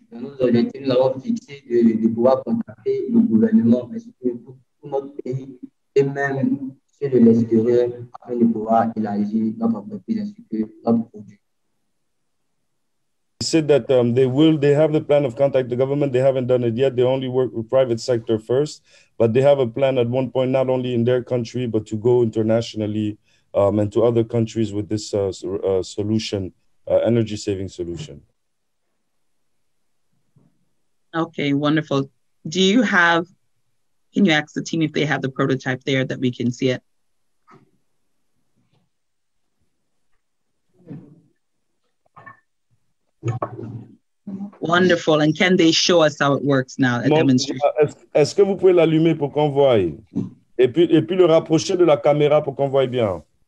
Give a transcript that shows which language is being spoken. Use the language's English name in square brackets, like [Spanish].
[French] Dans nos objectifs, nous avons fixé de pouvoir contacter le gouvernement, mais surtout pour notre pays et même ceux de l'extérieur, afin de pouvoir élargir notre entreprise ainsi que notre produit. [English] They said that they have the plan of contact the government. They haven't done it yet. They only work with private sector first, but they have a plan at one point, not only in their country, but to go internationally and to other countries with this solution, energy saving solution. Okay, wonderful. Can you ask the team if they have the prototype there that we can see it? Wonderful. And can they show us how it works now? A demonstration. [French] Est-ce que vous pouvez l'allumer pour qu'on voie? Et puis le rapprocher de la caméra pour qu'on voie bien.